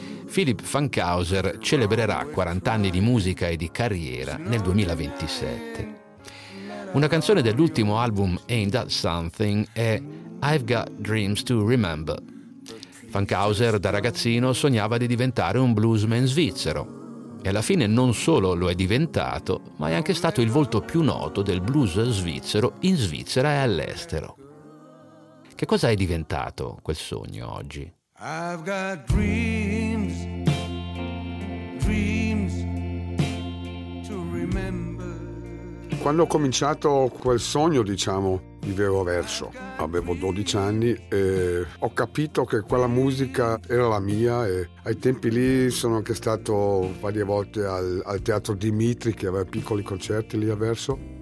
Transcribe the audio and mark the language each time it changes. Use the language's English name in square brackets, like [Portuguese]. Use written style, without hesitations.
[Italian] Philippe Funkhauser celebrerà 40 anni di musica e di carriera nel 2027. Una canzone dell'ultimo album Ain't That Something è [English] I've Got Dreams to Remember. [Italian] Funkhauser da ragazzino sognava di diventare un bluesman svizzero e alla fine non solo lo è diventato, ma è anche stato il volto più noto del blues svizzero in Svizzera e all'estero. Che cosa è diventato quel sogno oggi? [English] I've got dreams, dreams to remember. [Italian] Quando ho cominciato quel sogno, diciamo, di vero verso, avevo 12 anni e ho capito che quella musica era la mia, e ai tempi lì sono anche stato varie volte al Teatro Dimitri, che aveva piccoli concerti lì a Verso.